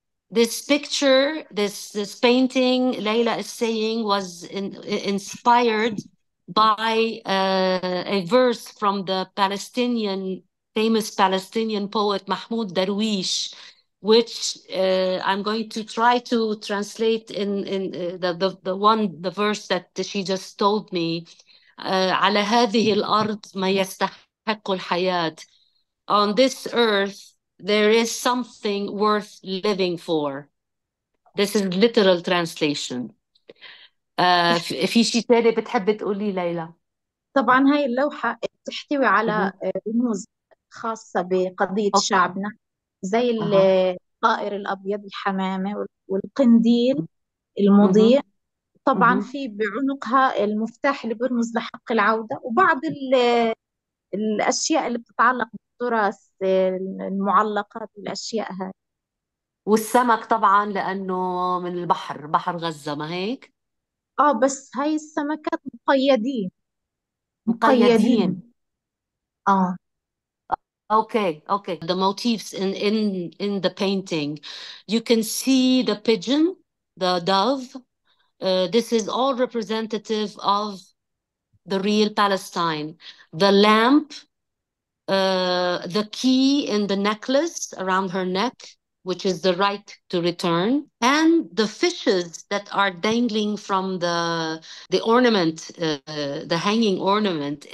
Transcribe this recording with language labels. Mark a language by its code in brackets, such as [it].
[en] This picture, this painting, Leila is saying, was inspired by a verse from the famous Palestinian poet Mahmoud Darwish, which I'm going to try to translate in the verse that she just told me. [ar] عَلَى هَذِهِ الْأَرْضِ مَا يَسْتَحَقُّ الْحَيَاةِ. [en] On this earth, there is something worth living for. This is literal translation. [ar] في شيء ثاني بتحب تقولي ليلى؟ طبعا هاي اللوحة بتحتوي على رموز خاصة بقضية شعبنا، زي الطائر الأبيض، الحمامة، والقنديل المضيء. طبعا في بعنقها المفتاح اللي بيرمز لحق العودة، وبعض الأشياء اللي بتتعلق بالتراث، المعلقات، الأشياء هاي. والسمك طبعا لأنه من البحر، بحر غزة، ما هيك؟ بس هاي السمكات مقيدين مقيدين. مقيدين. [en] Okay. The motifs in the painting, you can see the pigeon, the dove. This is all representative of the real Palestine. The lamp, the key in the necklace around her neck, which is the right to return, and the fishes that are dangling from the ornament, the hanging ornament.